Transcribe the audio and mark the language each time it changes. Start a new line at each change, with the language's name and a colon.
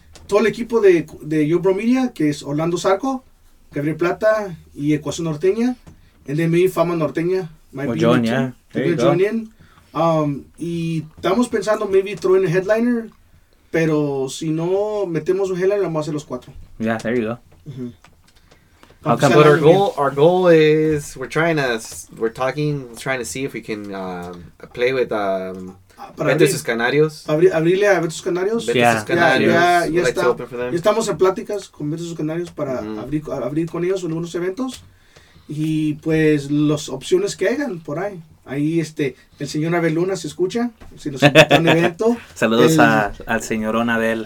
Spanish: Todo el equipo de Yo Bro Media, que es Orlando Zarco, Gabriel Plata, y Ecuación Norteña.
English: And then maybe Fama Norteña. Join in.
Spanish: Y estamos pensando
English: maybe throwing a headliner,
Spanish: pero si no metemos un headliner, vamos a hacer los cuatro.
English: Yeah, there you go. Mm-hmm. Okay, but our goal is we're trying to see if we can play with Ventus Canarios.
Spanish: Abrirle a Ventus Canarios. Ya estamos en pláticas con Ventus Canarios para mm-hmm. abrir con ellos algunos eventos y pues las opciones que hagan por ahí. Ahí el señor Abel Luna se escucha, si nos invita a un evento. Saludos al señor Abel.